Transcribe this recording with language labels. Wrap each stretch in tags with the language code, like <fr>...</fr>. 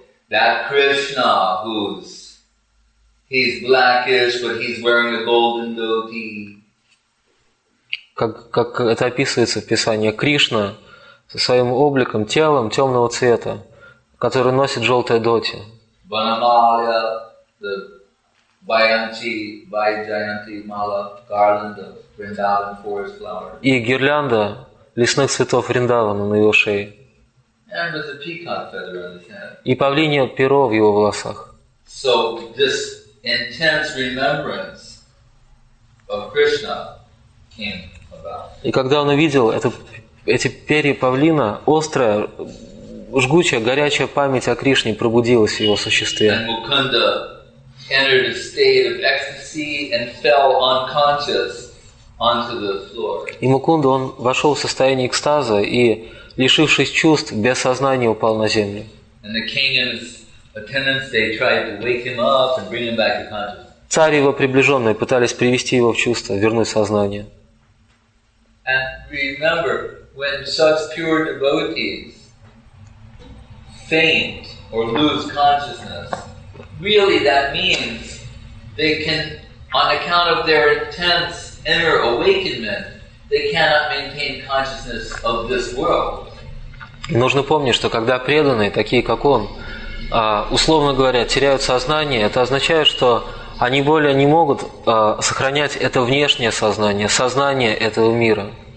<en>That Krishna, he's blackish, but he's wearing a golden dhoti.</en> <ru>Как это описывается в Писании, Кришна со своим обликом, телом темного цвета, который носит желтое дхоти.</ru> <en>Banamaya, the Vayanti, Vayjayanti mala, garland of Vrindavan forest flowers.</en> <ru>И гирлянда лесных цветов Вриндавана на его шее.</ru> <en>And with a peacock feather on his head.</en> <ru>И павлинье перо в его волосах.</ru> <en>So this intense remembrance of Krishna came about.</en> <ru>И когда он увидел эти перья павлина, острая, жгучая, горячая память о Кришне пробудилась в его существе.</ru> <en>And Mukunda entered a state of ecstasy and fell unconscious onto the floor.</en> <ru>И Мукунда, он вошел в состояние экстаза и, лишившись чувств, без сознания упал на землю.</ru> <en>And the king and his attendants, they tried to wake him up and bring him back to consciousness.</en> <ru>Царь и его приближенные пытались привести его в чувство, вернуть сознание.</ru> <en>And remember, when such pure devotees faint or lose consciousness, really that means they can, on account of their intense inner awakenment, they cannot maintain consciousness of this world.</en> <ru>И нужно помнить, что когда преданные, такие как он, условно говоря, теряют сознание, это означает, что они более не могут сохранять это внешнее сознание, сознание этого мира.</ru>